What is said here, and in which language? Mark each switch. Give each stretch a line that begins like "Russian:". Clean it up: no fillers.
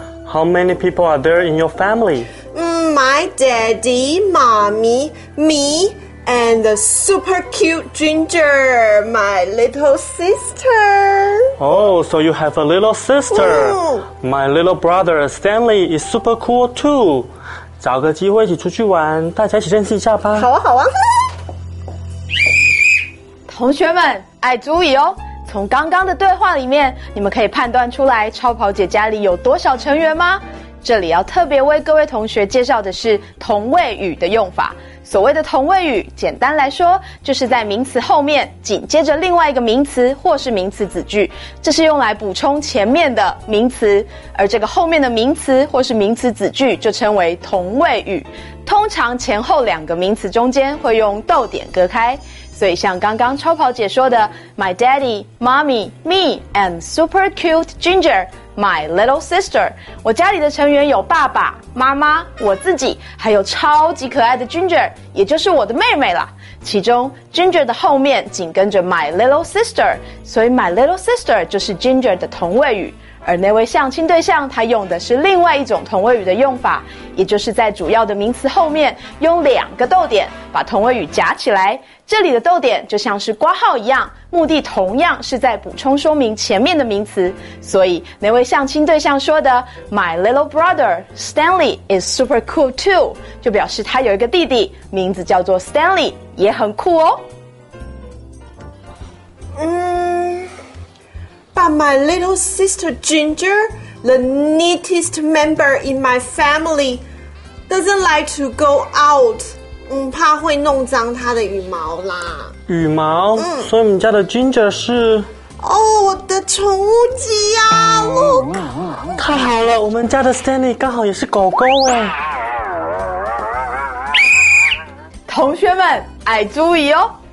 English: How many people are there in your family? My daddy, mommy, me, and the super cute Ginger, my little sister. Oh, so you have a little sister. My little brother Stanley is super cool too.
Chinese: 找个机会一起出去玩，大家一起认识一下吧。好啊，好啊。同学们，爱注意哦。从刚刚的对话里面，你们可以判断出来超跑姐家里有多少成员吗？这里要特别为各位同学介绍的是同位语的用法。所谓的同位语，简单来说，就是在名词后面紧接着另外一个名词或是名词子句，这是用来补充前面的名词，而这个后面的名词或是名词子句就称为同位语。通常前后两个名词中间会用逗点隔开，所以像刚刚超跑姐说的
English: My daddy, mommy, me, and super cute Ginger, my little sister,
Chinese: 我家里的成员有爸爸、妈妈、我自己，还有超级可爱的 Ginger, 也就是我的妹妹啦。其中 Ginger 的后面紧跟着
English: my little sister,
Chinese: 所以 my little sister 就是 Ginger 的同位语。而那位相亲对象他用的是另外一种同位语的用法，也就是在主要的名词后面用两个逗点把同位语夹起来。这里的逗点就像是括号一样，目的同样是在补充说明前面的名词。所以那位相亲对象说的
English: My little brother Stanley is super cool too,
Chinese: 就表示他有一个弟弟名字叫做 Stanley, 也很酷哦。
English: But my little sister Ginger, the neatest member in my family, doesn't like to go out.
Chinese: 怕会弄脏她的羽毛啦。羽毛？所以你家的 Ginger 是？哦，我的宠物鸡啊 ，
English: Look！
Chinese: 太好了，我们家的 Stanley 刚好也是狗狗哎。同学们，爱注意哦。